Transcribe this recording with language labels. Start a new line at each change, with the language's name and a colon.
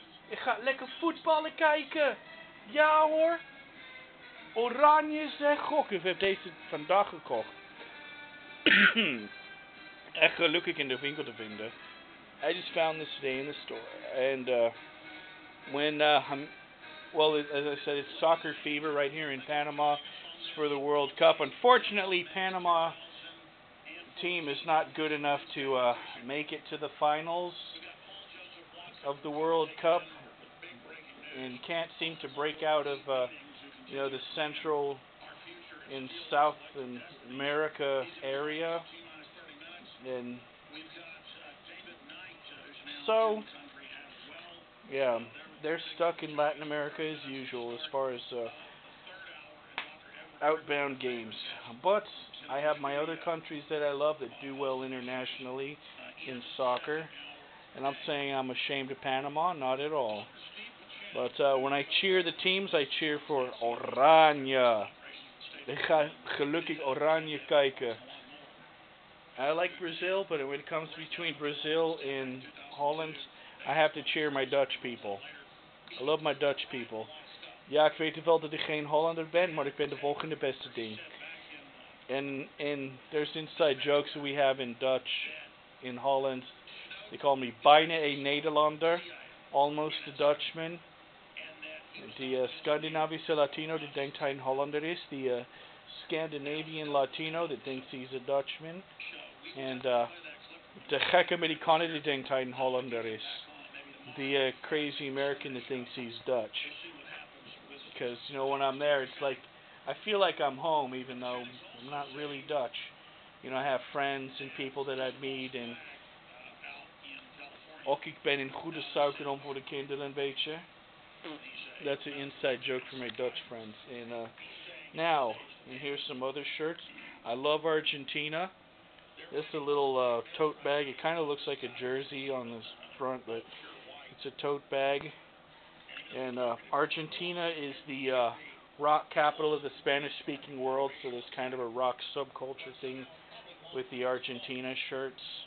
Dutch: Ik ga lekker voetballen kijken. Ja hoor, Oranje zegt gok, ik heb deze vandaag gekocht. Echt gelukkig in de winkel te vinden.
English: I just found this today in the store. And as I said, it's soccer fever right here in Panama. It's for the World Cup. Unfortunately, Panama team is not good enough to make it to the finals of the World Cup. And can't seem to break out of, the Central and South America area. And so, yeah, they're stuck in Latin America as usual as far as outbound games. But I have my other countries that I love that do well internationally in soccer. And I'm saying I'm ashamed of Panama. Not at all. But when I cheer the teams, I cheer for Oranje.
Dutch: Ik ga gelukkig Oranje kijken.
English: I like Brazil, but when it comes between Brazil and Holland, I have to cheer my Dutch people. I love my Dutch people.
Dutch: Ja, ik weet wel dat ik geen Hollander ben, maar ik ben de volgende beste ding.
English: And there's inside jokes that we have in Dutch, in Holland. They call me
Dutch: bijna een Nederlander,
English: almost a Dutchman. The Scandinavische Latino that thinks he's a Hollander is the Scandinavian Latino that thinks he's a Dutchman, and the
Dutch: gek Amerikaner
English: that thinks he's a Hollander is the crazy American that thinks he's Dutch. Because you know, when I'm there, it's like I feel like I'm home, even though I'm not really Dutch. You know, I have friends and people that I've met, and
Dutch: ook ik ben een goede zakenom voor de kinderen, weet je.
English: That's an inside joke for my Dutch friends. And now, and here's some other shirts. I love Argentina. This is a little tote bag. It kind of looks like a jersey on the front, but it's a tote bag. And Argentina is the rock capital of the Spanish-speaking world, so there's kind of a rock subculture thing with the Argentina shirts.